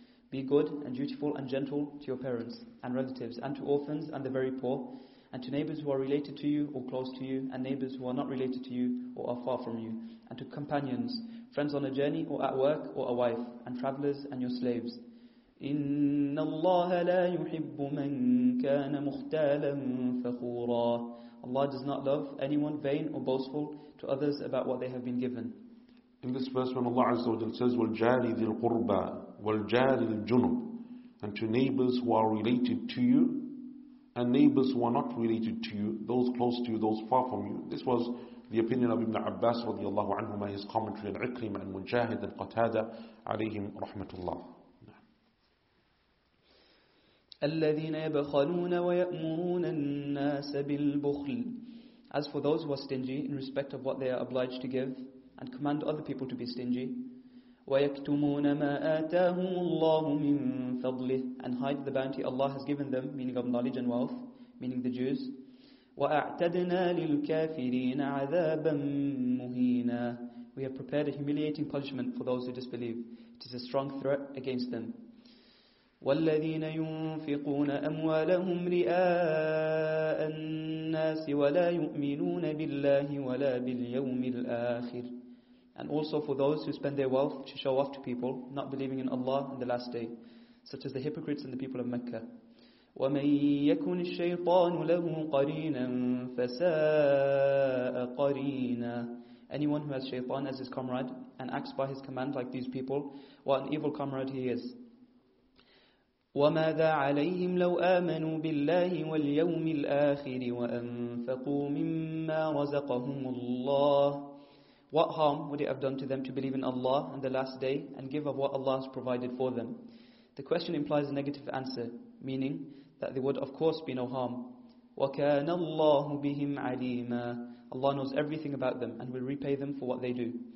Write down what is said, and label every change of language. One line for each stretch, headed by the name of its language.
English: Be good and dutiful and gentle to your parents and relatives and to orphans and the very poor, and to neighbors who are related to you or close to you, and neighbors who are not related to you or are far from you, and to companions, friends on a journey or at work or a wife, and travelers and your slaves.
Arabic: إن الله لا يحب من كان مختالا فخورا.
English: Allah does not love anyone vain or boastful to others about what they have been given. In this verse, when Allah Azza wa Jalla says,
Arabic: وَالْجَارِ ذِي الْقُرْبَى وَالْجَارِ الْجُنُبِ,
English: and to neighbors who are related to you and neighbors who are not related to you, those close to you, those far from you. This was the opinion of Ibn Abbas radiallahu anhu, by his commentary on Ikrimah and Mujahid and Qatada alayhim rahmatullah.
Arabic: الَّذِينَ يَبْخَلُونَ وَيَأْمُرُونَ النَّاسَ بِالْبُخْلِ.
English: As for those who are stingy in respect of what they are obliged to give, and command other people to be stingy.
Arabic: وَيَكْتُمُونَ مَا آتَاهُمُ اللَّهُ مِنْ فَضْلِهِ,
English: and hide the bounty Allah has given them, meaning of knowledge and wealth, meaning the Jews.
Arabic: وَأَعْتَدْنَا لِلْكَافِرِينَ عَذَابًا مُهِينًا.
English: We have prepared a humiliating punishment for those who disbelieve. It is a strong threat against them.
Arabic: والذين ينفقون أموالهم رئاء الناس ولا يؤمنون بالله ولا باليوم الآخر.
English: And also for those who spend their wealth to show off to people, not believing in Allah and the last day, such as the hypocrites and the people of Mecca.
Arabic: ومن يكن الشيطان له قرينا فساء قرينا.
English: Anyone who has shaitan as his comrade and acts by his command like these people, what an evil comrade he is.
Arabic: وماذا عليهم لو آمنوا بالله واليوم الآخر وأنفقوا مما رزقهم الله.
English: What harm would it have done to them to believe in Allah and the last day and give of what Allah has provided for them? The question implies a negative answer, meaning that there would of course be no harm.
Arabic: وَكَانَ اللَّهُ بِهِمْ عَلِيمًا.
English: Allah knows everything about them and will repay them for what they do.